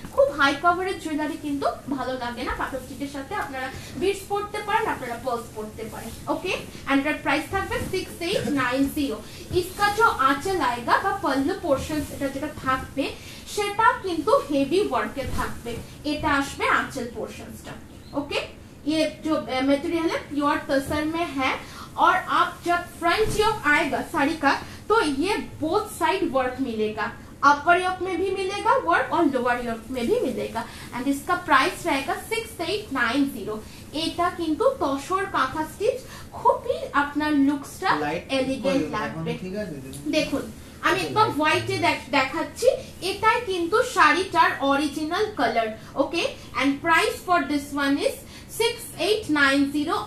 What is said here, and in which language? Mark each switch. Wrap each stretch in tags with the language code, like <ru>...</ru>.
<bn>খুব high coverage jewellery কিন্তু ভালো লাগে না, কাঁথা স্টিচের সাথে আপনারা বিটস পরতে পারেন, আপনারা পার্লস পরতে পারেন, ওকে? এন্ড প্রাইস থাকবে 6890। ইসকা জো আঁচে লাইগা বা পল্লু পোর্শন এটা যেটা থাকবে সেটা কিন্তু হেভি ওয়ার্কে থাকবে, এটা আসবে আঁচল পোর্শনটা, ওকে?</bn> <hi>ये जो मेटेरियल है प्योर तसर में है, और आप जब फ्रंट योक आएगा साड़ी का तो ये बोथ साइड वर्क मिलेगा, अपर योक में भी मिलेगा वर्क और लोअर योक में भी मिलेगा। एंड इसका प्राइस रहेगा 6890।</hi> <bn>এটা কিন্তু তসর কাঁথা স্টিচ, খুবই আপনার লুকসটা এলিগেন্ট লাগবে। দেখুন আমি একদম হোয়াইটে দেখাচ্ছি, এটাই কিন্তু শাড়িটার original colour, okay?</bn> <en>And price for this one is 6890।</en>